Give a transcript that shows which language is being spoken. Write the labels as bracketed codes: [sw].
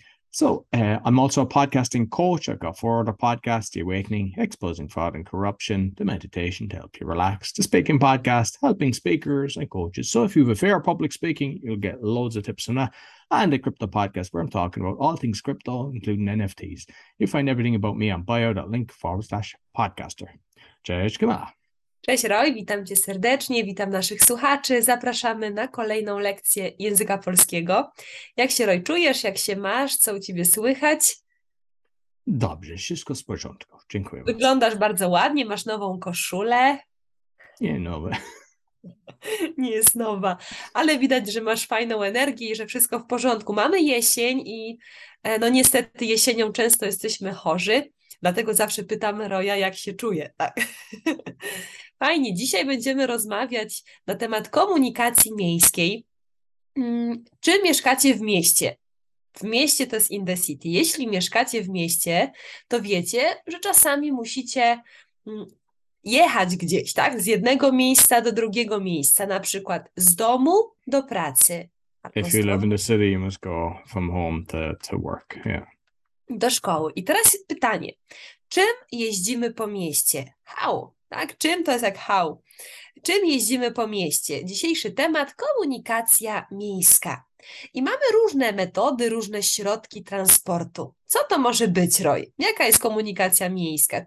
[en] So I'm also a podcasting coach. I've got four other podcasts, The Awakening, Exposing Fraud and Corruption, The Meditation to Help You Relax, The Speaking Podcast, Helping Speakers and Coaches. So if you have a fear of public speaking, you'll get loads of tips on that. And The Crypto Podcast, where I'm talking about all things crypto, including NFTs. You'll find everything about me on bio.link/podcaster. [pl] Cześć, Kamila. Cześć Roy, witam Cię serdecznie, witam naszych słuchaczy, zapraszamy na kolejną lekcję języka polskiego. Jak się Roy czujesz, jak się masz, co u Ciebie słychać? Dobrze, wszystko z porządku, dziękuję. Wyglądasz bardzo ładnie, masz nową koszulę. Nie nowe. Nie jest nowa, ale widać, że masz fajną energię i że wszystko w porządku. Mamy jesień i no niestety jesienią często jesteśmy chorzy. Dlatego zawsze pytam Roya, jak się czuje. Tak. Fajnie, dzisiaj będziemy rozmawiać na temat komunikacji miejskiej. Czy mieszkacie w mieście? W mieście to jest [en] in the city. [pl] Jeśli mieszkacie w mieście, to wiecie, że czasami musicie jechać gdzieś, tak? Z jednego miejsca do drugiego miejsca, na przykład z domu do pracy. [en] If you live in the city, you must go from home to work, yeah. [pl] Do szkoły. I teraz pytanie. Czym jeździmy po mieście? [en] How? [pl] Tak? Czym to jest jak how? Czym jeździmy po mieście? Dzisiejszy temat komunikacja miejska. I mamy różne metody, różne środki transportu. Co to może być, Roy? Jaka jest komunikacja miejska?